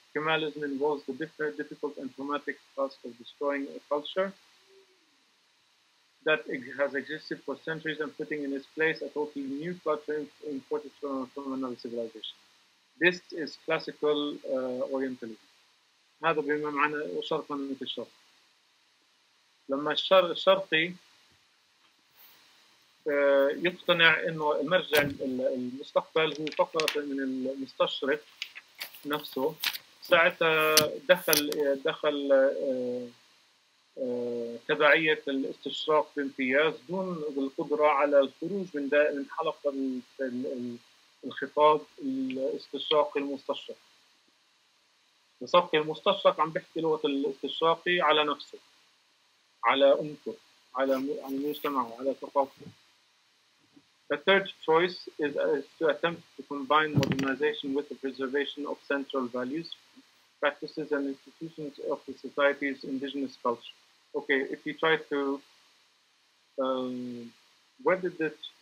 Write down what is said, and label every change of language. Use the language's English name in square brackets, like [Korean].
[English] Kemalism involves the difficult and traumatic task of destroying a culture that has existed for centuries and putting in its place a totally new culture imported from another civilization. This is classical Orientalism. [Arabic] هذا بما معنى الشرق من الشرق. لما الشرقي يقتنع انه المرجع المستقبل هو فقط من المستشرق نفسه ساعتها دخل تبعية الاستشراق بامتياز دون القدرة على الخروج من حلقة الخطاب الاستشراقي المستشرق المستشرق عم بيحكي لغة الاستشراقي على نفسه على أمته على المجتمع وعلى ثقافته. [English] The third choice is to attempt to combine modernization with the preservation of central values, practices, and institutions of the society's indigenous culture. Okay, if you try to, where did it?